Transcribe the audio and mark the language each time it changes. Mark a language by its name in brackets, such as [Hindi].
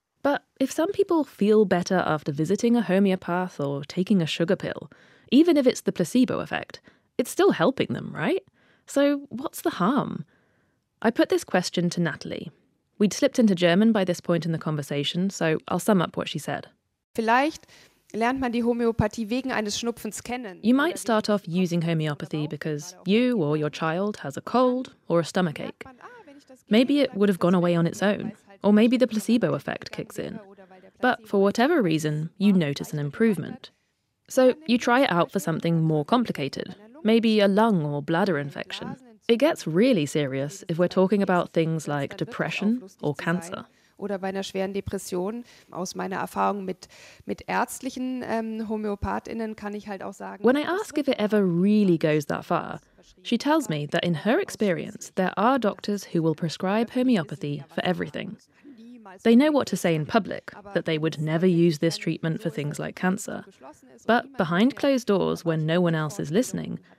[English] But if some people feel better after visiting a homeopath or taking a sugar pill, even if it's the placebo effect, it's still helping them, right? So what's the harm? I put this question to Natalie. We'd slipped into German by this point in the conversation, so I'll sum up what she said. [German] Vielleicht lernt man die Homöopathie wegen eines Schnupfens kennen. [English] You might start off using homeopathy because you or your child has a cold or a stomachache. Maybe it would have gone away on its own, or maybe the placebo effect kicks in. But for whatever reason, you notice an improvement. So you try it out for something more complicated, maybe a lung or bladder infection. It gets really serious if we're talking about things like depression or cancer. [German] Oder bei einer schweren Depression. Aus meiner Erfahrung mit ärztlichen HomöopathInnen kann ich halt auch sagen. [English] When I ask if it ever really goes that far, she tells me that in her experience, there are doctors who will prescribe homeopathy for everything. They know what to say in public, that they would never use this treatment for things like cancer. But behind closed doors, when no one else is listening,